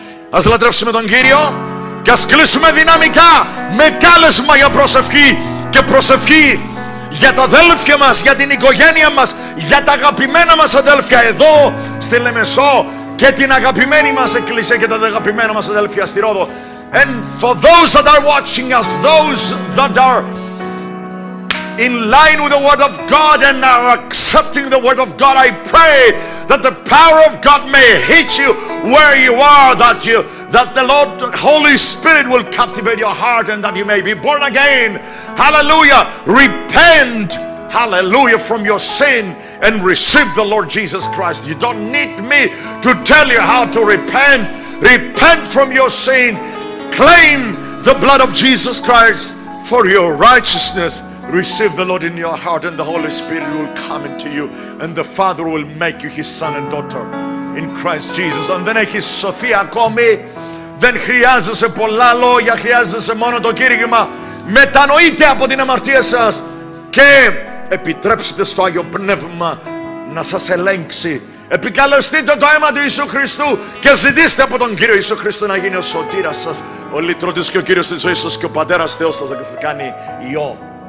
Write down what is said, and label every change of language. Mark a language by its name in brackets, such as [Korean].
[Greek] Ας λατρεύσουμε τον Κύριο και ας κλείσουμε δυναμικά με κάλεσμα για προσευχή και προσευχή για τα αδέλφια μας, για την οικογένεια μας, για τα αγαπημένα μας αδέλφια εδώ στη Λεμεσό και την αγαπημένη μας εκκλησία και τα αγαπημένα μας αδέλφια στη Ρόδο. [English] And for those that are watching us, those that are in line with the word of God and are accepting the word of God, I pray that the power of God may hit you where you are, that you, that the Lord Holy Spirit will captivate your heart and that you may be born again. Hallelujah. Repent, hallelujah, from your sin and receive the Lord Jesus Christ. You don't need me to tell you how to repent. Repent from your sin. Claim the blood of Jesus Christ for your righteousness. Receive the Lord in your heart and the Holy Spirit will come into you and the Father will make you His son and daughter in Christ Jesus. [Greek] Αν δεν έχεις σωθεί ακόμη, δεν χρειάζεσαι πολλά λόγια, χρειάζεσαι μόνο το κήρυγμα. Μετανοείτε από την αμαρτία σας και επιτρέψτε στο Άγιο Πνεύμα να σας ελέγξει. Επικαλεστείτε το αίμα του Ιησού Χριστού και ζητήστε από τον Κύριο Ιησού Χριστού να γίνει ο σωτήρας σας, ο λύτρωτης και ο Κύριος της ζωής σας και ο Πατέρας Θεός σας να κάνει Υιό.